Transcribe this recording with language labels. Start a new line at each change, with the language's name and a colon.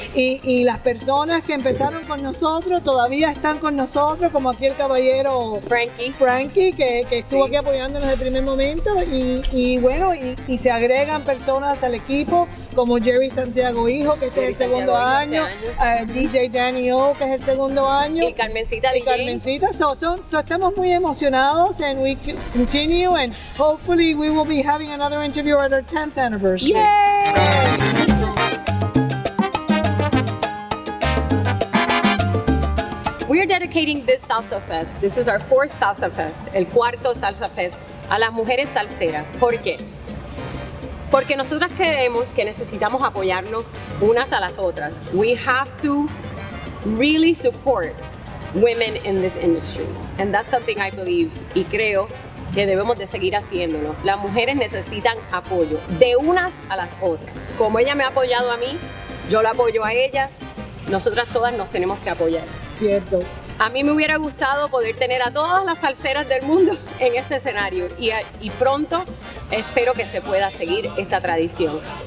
Spanish: Y las personas que empezaron con nosotros todavía están con nosotros, como aquí el caballero Frankie, que estuvo aquí apoyándonos desde el primer momento. Y se agregan personas al equipo, como Jerry Santiago Hijo, que es el segundo año. DJ Danny O, que es el segundo año. Y Carmencita DJ. Y Carmencita.
English: So
Spanish: estamos muy emocionados,
English: and we continue, and hopefully we will be having another interview at our 10th anniversary. Yay! We are dedicating this Salsa Fest. This is our fourth Salsa Fest,
Spanish: el cuarto Salsa Fest, a las mujeres salseras. ¿Por qué? Porque nosotras creemos que necesitamos apoyarnos unas a las otras.
English: We have to really support women in this industry. And that's something I believe,
Spanish: y creo que debemos de seguir haciéndolo. Las mujeres necesitan apoyo de unas a las otras. Como ella me ha apoyado a mí, yo la apoyo a ella. Nosotras todas nos tenemos que apoyar. Cierto. A mí me hubiera gustado poder tener a todas las salseras del mundo en este escenario y pronto espero que se pueda seguir esta tradición.